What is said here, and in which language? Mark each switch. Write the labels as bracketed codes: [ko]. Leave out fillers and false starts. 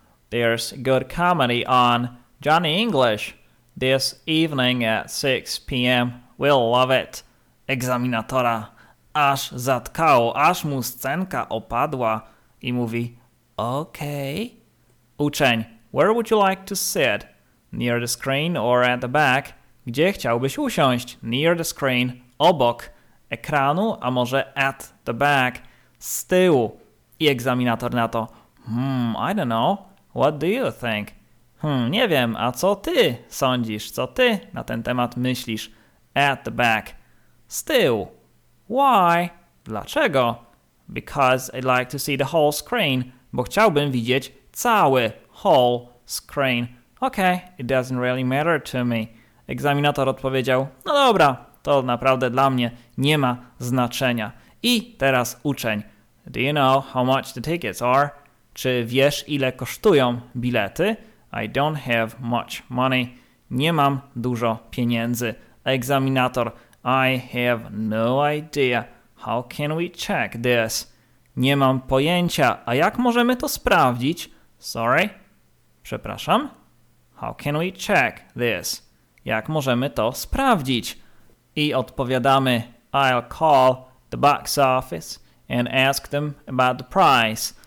[en] There's good comedy on Johnny English this evening at 6 p.m. We'll love it. [pl] Egzaminatora aż zatkało, aż mu scenka opadła i mówi: okay. [en] Uczeń: where would you like to sit? Near the screen or at the back? [pl] Gdzie chciałbyś usiąść? [en] Near the screen, [pl] obok ekranu, a może [en] at the back, [pl] z tyłu. I egzaminator na to: [en] I don't know, what do you think? [pl] Nie wiem, a co ty sądzisz, co ty na ten temat myślisz? [en] At the back, [pl] z tyłu. [en] Why? [pl] Dlaczego? [en] Because I'd like to see the whole screen, [pl] bo chciałbym widzieć cały [en] whole screen. Okay, it doesn't really matter to me. [pl] Egzaminator odpowiedział: no dobra, to naprawdę dla mnie nie ma znaczenia. I teraz uczeń: [en] do you know how much the tickets are? [pl] Czy wiesz, ile kosztują bilety? [en] I don't have much money. [pl] Nie mam dużo pieniędzy. [en] Egzaminator: I have no idea. How can we check this? [pl] Nie mam pojęcia. A jak możemy to sprawdzić? [en] Sorry? [pl] Przepraszam? [en] How can we check this? [pl] Jak możemy to sprawdzić? I odpowiadamy: [en] I'll call the box office and ask them about the price.